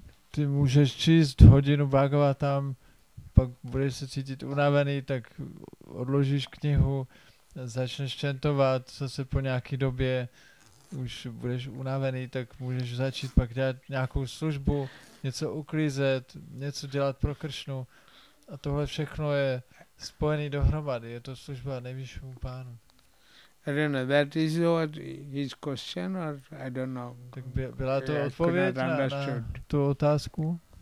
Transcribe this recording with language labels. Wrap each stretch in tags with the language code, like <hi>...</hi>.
<cs>Ty můžeš číst hodinu Bhagavatam, pak budeš se cítit unavený, tak odložíš knihu, začneš čentovat zase po nějaké době, už budeš unavený, tak můžeš začít pak dělat nějakou službu, něco uklízet, něco dělat pro Kršnu. A tohle všechno je spojené dohromady, je to služba nejvyššímu pánu.</cs> <en>I don't know, that is what his question, or I don't know.</en> <cs>Tak byla to odpověď na tu otázku?</cs>